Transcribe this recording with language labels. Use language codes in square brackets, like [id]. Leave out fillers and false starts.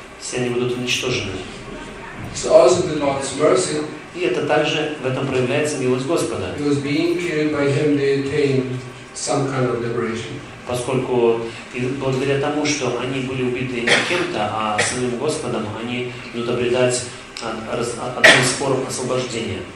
[ru] Все они будут уничтожены. [en] So also the Lord's mercy. [ru] И это также в этом проявляется милость Господа. [en] Because being killed by him, they attain some kind of liberation. [ru] Поскольку благодаря тому, что они были убиты не кем-то, а самим Господом, они будут обретать одну из форм освобождения.